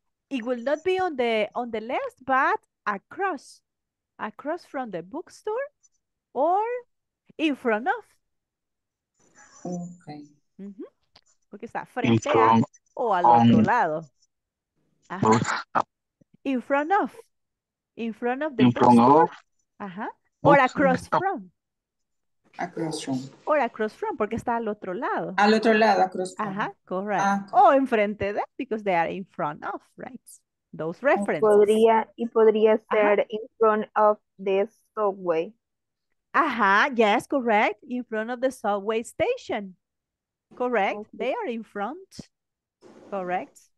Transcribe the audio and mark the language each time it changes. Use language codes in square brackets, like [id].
[en] It will not be on the left, but across. Across from the bookstore or in front of. Okay. Mm-hmm. [es] Porque está frente a, o al otro lado. [en] In front of. In front of the bookstore. Ajá. Or across from. Across from. Or across from, [es] porque está al otro lado. Al otro lado, [en] across from. Ajá, correct. [es] O enfrente de, [en] because they are in front of, right? Those references. [es] Y podría ser ajá. [en] In front of the subway. Ajá, yes, correct. In front of the subway station. Correct. Okay. They are in front. Correct.